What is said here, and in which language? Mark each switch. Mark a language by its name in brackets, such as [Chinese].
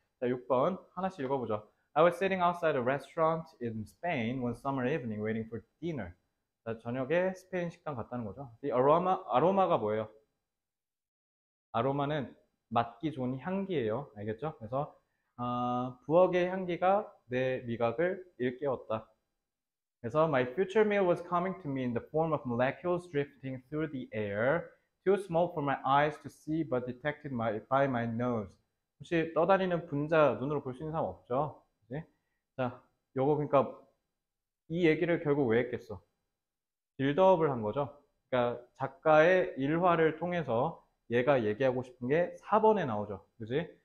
[English] 자, [Korean] 6번 하나씩 읽어보죠. [English] I was sitting outside a restaurant in Spain one summer evening waiting for dinner. [Korean] 자, 저녁에 스페인 식당 갔다는 거죠. The aroma가 뭐예요? 아로마는 맡기 좋은 향기예요. 알겠죠? 그래서 부엌의 향기가 내 미각을 일깨웠다. 그래서 [English] my future meal was coming to me in the form of molecules drifting through the air. Too small for my eyes to see, but detected by my nose. [Korean] 혹시 떠다니는 분자 눈으로 볼수 있는 사람 없죠? 네? 자, 요거 그러니까 이 얘기를 결국 왜 했겠어? 빌드업을 한 거죠. 그러니까 작가의 일화를 통해서 얘가 얘기하고 싶은 게 4번에 나오죠. 그지?